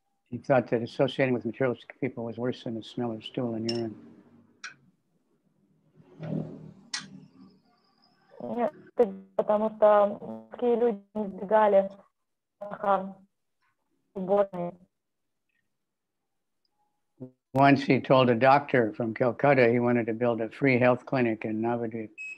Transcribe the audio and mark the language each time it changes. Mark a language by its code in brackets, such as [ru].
[en] He thought that associating with materialistic people was worse than the smell of stool and urine. [ru] Потому что такие люди избегали уборной. [en] Once he told a doctor from Calcutta he wanted to build a free health clinic in Navadvip.